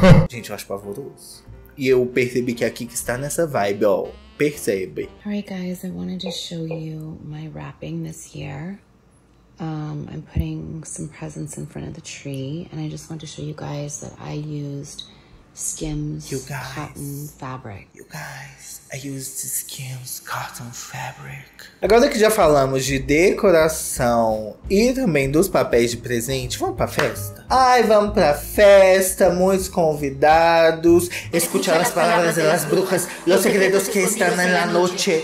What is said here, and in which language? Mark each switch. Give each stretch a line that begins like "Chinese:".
Portuguese: Gente, eu acho pavoroso. E eu percebi que a Kika está nessa vibe, ó. Percebe.
English: All right, guys, I wanted to show you my wrapping this year. I'm putting some presents in front of the tree, and I just want to show you guys that I used Skims cotton fabric. You guys, I used Skims cotton fabric.
Portuguese: Agora que já falamos de decoração e também dos papéis de presente, vamos pra festa? Ai, vamos pra festa, muitos convidados. Escutar as palavras das bruxas, os segredos que estão na noite.